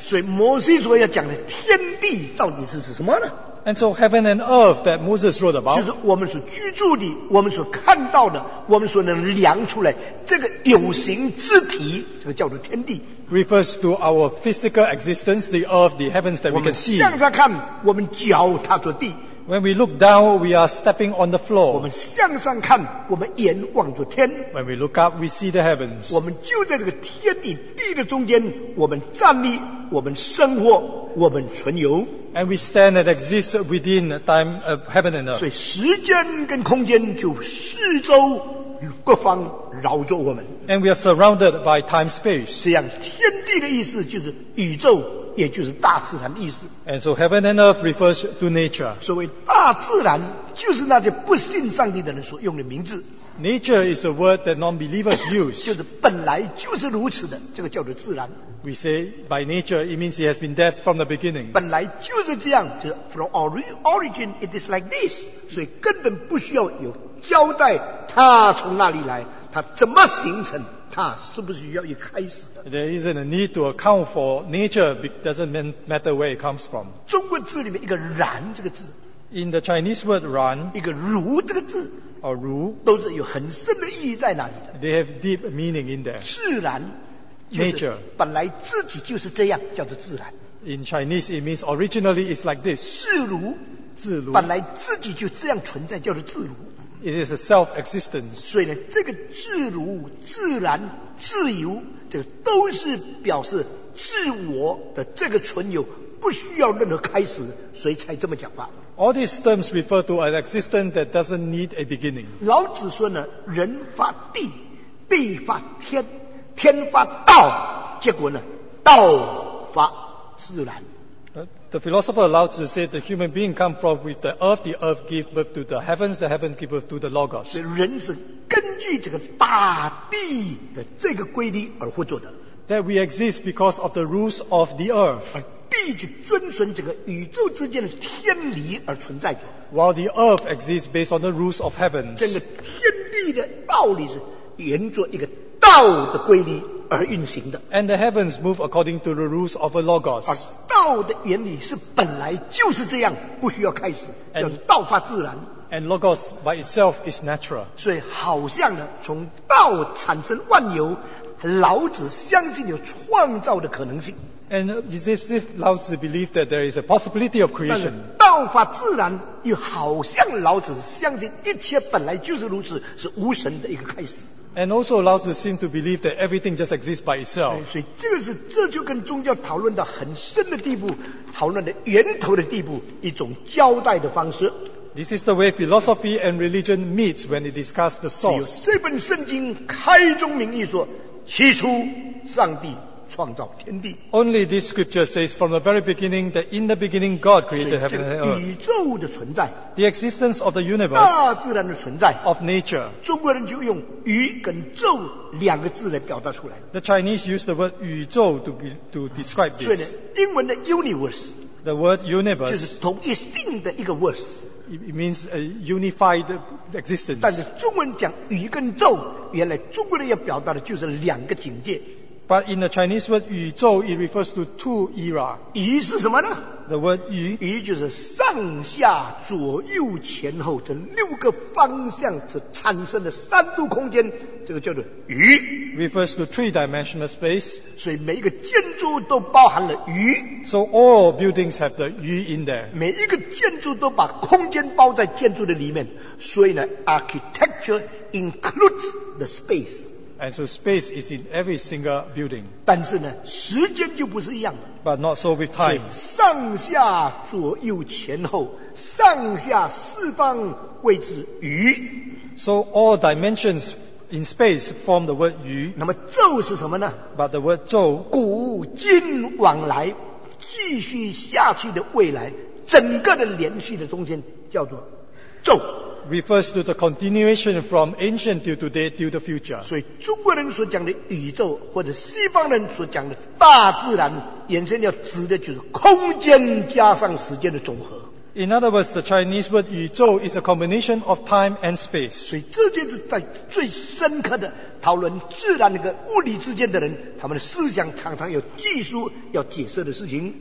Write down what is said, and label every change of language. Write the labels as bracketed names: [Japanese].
[Chinese] 所以摩西所要讲的天地到底是指什么呢？ [English] And so heaven and earth that Moses wrote about [Chinese] 就是我们所居住的，我们所看到的，我们所能量出来这个有形之体，这个叫做天地。 [English] Refers to our physical existence, the earth, the heavens that we can see. [Chinese] 我们向上看，我们脚踏着地。 [English] When we look down, we are stepping on the floor. [Chinese] 我们向上看，我们眼望着天。 [English] When we look up, we see the heavens. [Chinese] 我们就在这个天与地的中间，我们站立，我们生活，我们存有。 [English] And we stand and exist within time, heaven and earth. [Chinese] 所以时间跟空间就四周与各方绕着我们。 [English] And we are surrounded by time space. [Chinese] 这样天地的意思就是宇宙，也就是大自然的意思。 [English] And so heaven and earth refers to nature. [Chinese] 所谓大自然就是那些不信上帝的人所用的名字。 [English] Nature is a word that non-believers use. [Chinese] 就是本来就是如此的，这个叫做自然。 [English] We say by nature it means it has been there from the beginning. [Chinese] 本来就是这样，就 [English] from origin it is like this. [Chinese] 所以根本不需要有交代它从哪里来，它怎么形成。它是不是要一开始的 [English] ？There isn't a need to account for nature. It doesn't matter where it comes from. [Chinese] 中国字里面一个“然”这个字 [English] ，in the Chinese word "然"， [Chinese] 一个“如”这个字 [English] ，or 如， [Chinese] 都是有很深的意义在哪里的。 [English] They have deep meaning in there. [Chinese] 自然 [English] ，nature， [Chinese] 本来自己就是这样，叫做自然。 [English] In Chinese, it means originally it's like this. [Chinese] 是如，自如，本来自己就这样存在，叫做自如。 [English] It is a self-existence. [Chinese] 所以呢，这个自如、自然、自由，这个都是表示自我的这个存有，不需要任何开始，所以才这么讲法。 [English] All these terms refer to an existence that doesn't need a beginning. [Chinese] 老子说呢，人发地，地发天，天发道，结果呢，道发自然。 [English] The philosopher Lao Tzu said the human being come from with the earth give birth to the heavens give birth to the logos. [Chinese] 所以人是根据这个大地的这个规律而活着的。 [English] That we exist because of the rules of the earth. [Chinese] 而地就遵循这个宇宙之间的天理而存在着。 [English] While the earth exists based on the rules of heavens. [Chinese] 整个天地的道理是沿着一个道的规律而运行的。 [English] And the heavens move according to the rules of a logos. [Chinese] 而道的原理是本来就是这样，不需要开始，叫做道法自然。 [English] And logos by itself is natural. [Chinese] 所以好像呢，从道产生万有，老子相信有创造的可能性。 [English] And is it as if Lao Tzu believed that there is a possibility of creation? [Chinese] 道法自然又好像老子相信一切本来就是如此，是无神的一个开始。 [English] And also allows us seem to believe that everything just exists by itself. [Chinese] 所以这个是这就跟宗教讨论到很深的地步，讨论的源头的地步，一种交代的方式。 [English] This is the way philosophy and religion meet when they discuss the source. [Chinese] 这本圣经开宗明义说，起初上帝创造天地。 [English] Only this scripture says from the very beginning that in the beginning God created heaven and earth. [Chinese] 宇宙的存在。 [English] The existence of the universe. [Chinese] 大自然的存在。 [English] Of nature. [Chinese] 中国人就用宇跟宙两个字来表达出来。 [English] The Chinese use the word 宇宙 to describe this. [Chinese] 所以呢，英文的 universe. [English] The word universe. [Chinese] 就是同一性的一个 words. [English] It means a unified existence. [Chinese] 但是中文讲宇跟宙，原来中国人要表达的就是两个境界。 [English] But in the Chinese word 宇宙 it refers to two era. [Chinese] 宇是什么呢？ [English] The word 宇。 [Chinese] 宇就是上下左右前后这六个方向所产生的三度空间，这个叫做宇。 [English] Refers to three-dimensional space. [Chinese] 所以每一个建筑都包含了宇。 [English] So all buildings have the 宇 in there. [Chinese] 每一个建筑都把空间包在建筑的里面，所以呢 [English] architecture includes the space. And so space is in every single building. [Chinese] 但是呢，时间就不是一样的。 [English] But not so with time. [Chinese] 上下左右前后，上下四方谓之宇。 [English] So all dimensions in space form the word 宇。 [Chinese] 那么宙是什么呢？ [English] But the word 宙。 [Chinese] 古今往来，继续下去的未来，整个的连续的中间叫做宙。 [English] Refers to the continuation from ancient till today till the future. [Chinese] 所以中国人所讲的宇宙，或者西方人所讲的大自然，延伸要指的就是空间加上时间的总和。 [English] In other words, the Chinese word 宇宙 is a combination of time and space. [Chinese] 所以这件事在最深刻的讨论自然跟物理之间的人，他们的思想常常有技术要解释的事情。